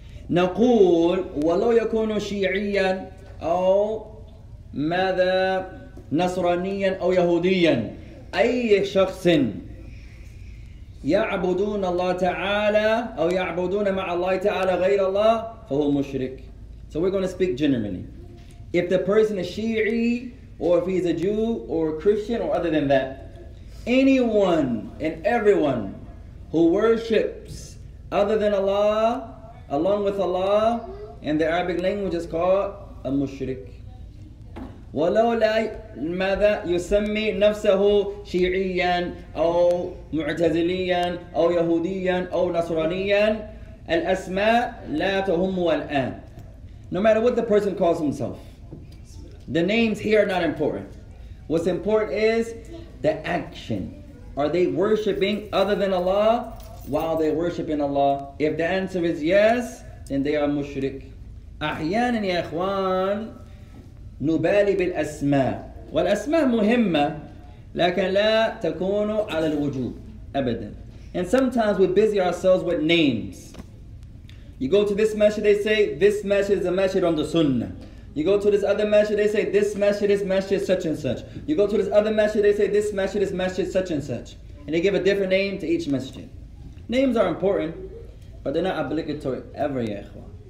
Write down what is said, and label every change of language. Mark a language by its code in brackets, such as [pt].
[ar] نقول ولو يكون شيعيا أو ماذا نصرانيا أو يهوديا أي شخص يعبدون الله تعالى أو يعبدون مع الله تعالى غير الله فهو مشرك. [en] So we're going to speak generally. If the person is Shi'i, or if he's a Jew or a Christian, or other than that, anyone and everyone who worships other than Allah along with Allah, in the Arabic language is called a mushrik. [ar] وَلَوْ لَا مَذَا يُسَمِّي نَفْسَهُ شِيعِيًّا أَوْ مُعْتَزِلِيًّا أَوْ يَهُودِيًّا أَوْ نَصْرَانِيًّا الْأَسْمَاء لَا تَهُمُّ الْآنَ. [en] No matter what the person calls himself, the names here are not important. What's important is the action. Are they worshipping other than Allah while they're worshiping Allah? If the answer is yes, then they are mushrik. [ar] أحيانا يا إخوان نبالي بالأسماء والأسماء مهمة لكن لا تكون على الوجوب أبدا. [en] And sometimes we busy ourselves with names. You go to this masjid, they say this masjid is a masjid on the sunnah. You go to this other masjid, they say this masjid is masjid such and such. You go to this other masjid, they say this masjid is masjid such and such. And they give a different name to each masjid. Names are important, but they're not obligatory ever, ya ikhwan.